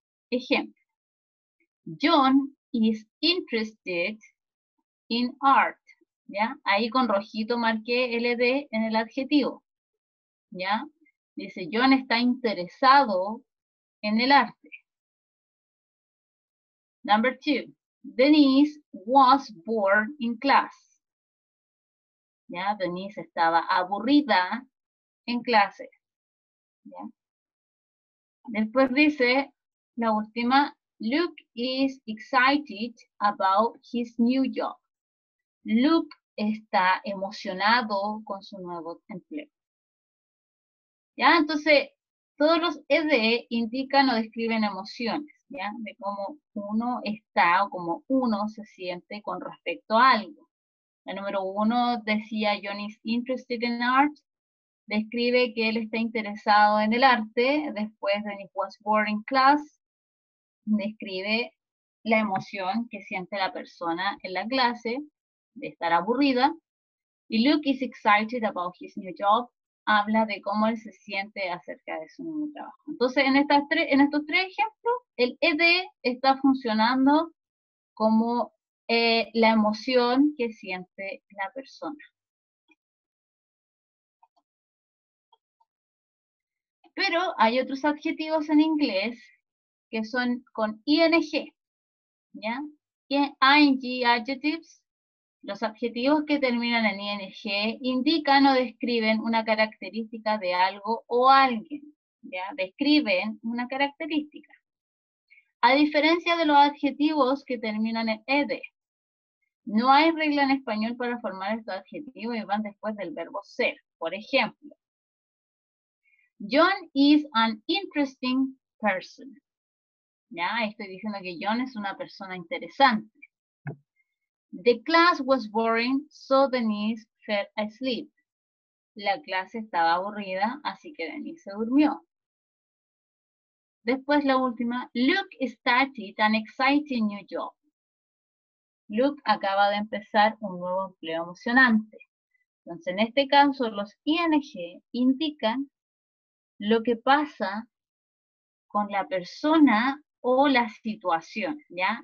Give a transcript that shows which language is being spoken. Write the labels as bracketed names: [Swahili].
[Spanish] Ejemplo: [English] John is interested in art. [Spanish] ¿Ya? Ahí con rojito marqué el ed en el adjetivo. ¿Ya? Dice: John está interesado en el arte. [English] Number two, Denise was bored in class. [Spanish] ¿Ya? Denise estaba aburrida en clase. ¿Ya? Después dice la última, [English] Luke is excited about his new job. [Spanish] Luke está emocionado con su nuevo empleo. ¿Ya? Entonces, todos los ED indican o describen emociones, ¿ya? De cómo uno está o cómo uno se siente con respecto a algo. El número uno decía, [English] John is interested in art. [Spanish] Describe que él está interesado en el arte. Después, [English] Denise was bored in class. [Spanish] Describe la emoción que siente la persona en la clase de estar aburrida. [English] Y Luke is excited about his new job. [Spanish] Habla de cómo él se siente acerca de su nuevo trabajo. Entonces, en estos tres ejemplos, el ED está funcionando como la emoción que siente la persona. Pero hay otros adjetivos en inglés que son con ing, ¿ya? [English] ING adjectives, [Spanish] los adjetivos que terminan en ing, indican o describen una característica de algo o alguien, ¿ya? Describen una característica. A diferencia de los adjetivos que terminan en ed, no hay regla en español para formar estos adjetivos y van después del verbo ser. Por ejemplo, [English] John is an interesting person. [Spanish] Ya, estoy diciendo que John es una persona interesante. [English] The class was boring, so Denise fell asleep. [Spanish] La clase estaba aburrida, así que Denise se durmió. Después la última, [English] Luke started an exciting new job. [Spanish] Luke acaba de empezar un nuevo empleo emocionante. Entonces, en este caso, los ING indican lo que pasa con la persona o la situación, ¿ya?